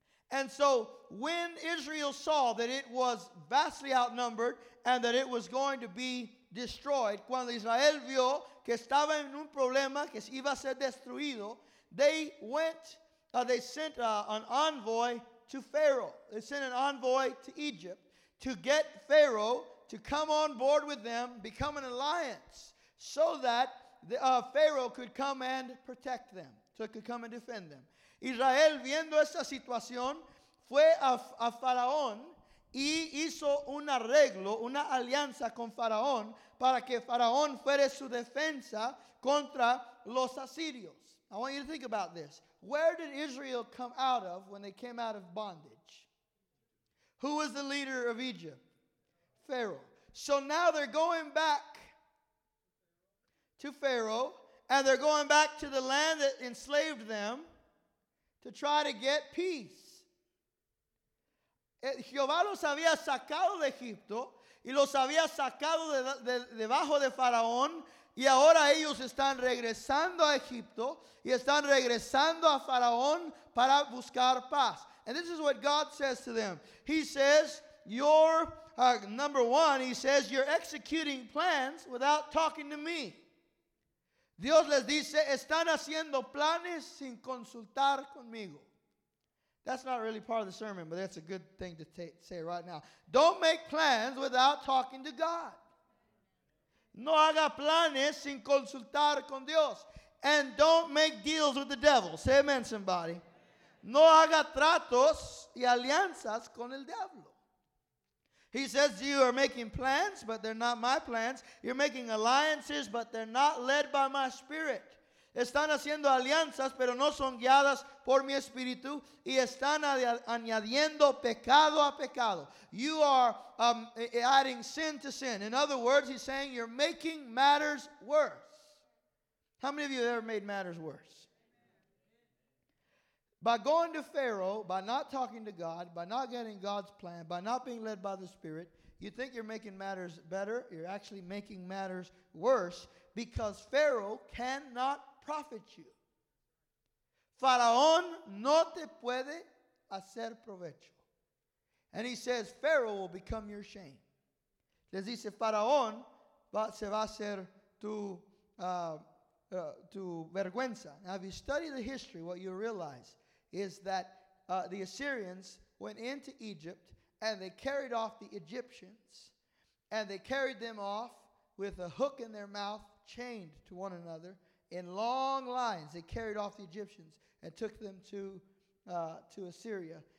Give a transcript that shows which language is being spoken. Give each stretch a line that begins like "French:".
English: And so when Israel saw that it was vastly outnumbered and that it was going to be destroyed,
Spanish: cuando Israel vio que estaba en un problema, que iba a ser destruido,
English: they sent an envoy to Egypt to get Pharaoh to come on board with them, become an alliance, so that Pharaoh could come and protect them, so it could come and defend them.
Spanish: Israel, viendo esta situación, fue a Faraón y hizo un arreglo, una alianza con Faraón para que Faraón fuere su defensa contra los asirios.
English: I want you to think about this. Where did Israel come out of when they came out of bondage? Who was the leader of Egypt? Pharaoh. So now they're going back to Pharaoh, and they're going back to the land that enslaved them to try to get peace.
Spanish: Jehová los había sacado de Egipto, y los había sacado de debajo de Faraón, y ahora ellos están regresando a Egipto y están regresando a Faraón para buscar paz.
English: And this is what God says to them. He says, you're executing plans without talking to me.
Spanish: Dios les dice, están haciendo planes sin consultar conmigo.
English: That's not really part of the sermon, but that's a good thing to say right now. Don't make plans without talking to God.
Spanish: No haga planes sin consultar con Dios.
English: And don't make deals with the devil. Say amen, somebody.
Spanish: No haga tratos y alianzas con el diablo.
English: He says you are making plans, but they're not my plans. You're making alliances, but they're not led by my spirit.
Spanish: Están haciendo alianzas, pero no son guiadas por mi espíritu. Y están añadiendo pecado a pecado.
English: You are adding sin to sin. In other words, he's saying you're making matters worse. How many of you have ever made matters worse? By going to Pharaoh, by not talking to God, by not getting God's plan, by not being led by the Spirit, you think you're making matters better. You're actually making matters worse because Pharaoh cannot profit you.
Spanish: Faraón no te puede hacer provecho.
English: And he says, Pharaoh will become your shame.
Spanish: Les dice, Faraón se va a hacer tu vergüenza.
English: Now, if you study the history, what you realize is that the Assyrians went into Egypt and they carried off the Egyptians and they carried them off with a hook in their mouth chained to one another in long lines. They carried off the Egyptians and took them to Assyria.